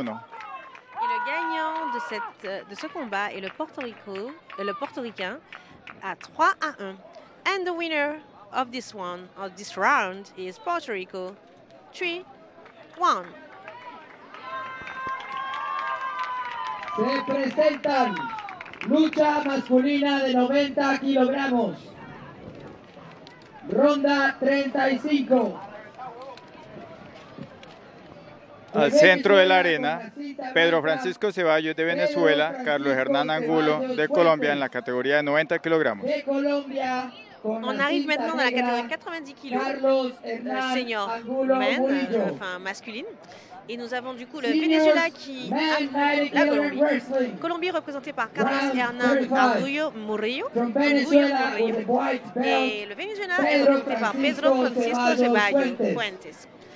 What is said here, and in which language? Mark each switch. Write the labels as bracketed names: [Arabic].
[Spanish] Y el ganador de este combate es el Puerto Rico, el puertorriquín, a 3-1. [English] And the winner of this one, of this round, is Puerto Rico 3-1. [Spanish] Se presentan lucha masculina de 90 kilogramos. Ronda 35. Al centro de la arena, Pedro Francisco Ceballos de Venezuela, Carlos Hernán Angulo de Colombia en la categoría de 90 kilogramos. [French] On arrive maintenant dans la catégorie 90 kilos, [English] senior men, [French] enfin masculine. Et nous avons du coup le Venezuela qui affronte la Colombie. Colombie représentée par Carlos Hernán Angulo Murillo. Et le Venezuela est représenté par Pedro Francisco Ceballos Fuentes.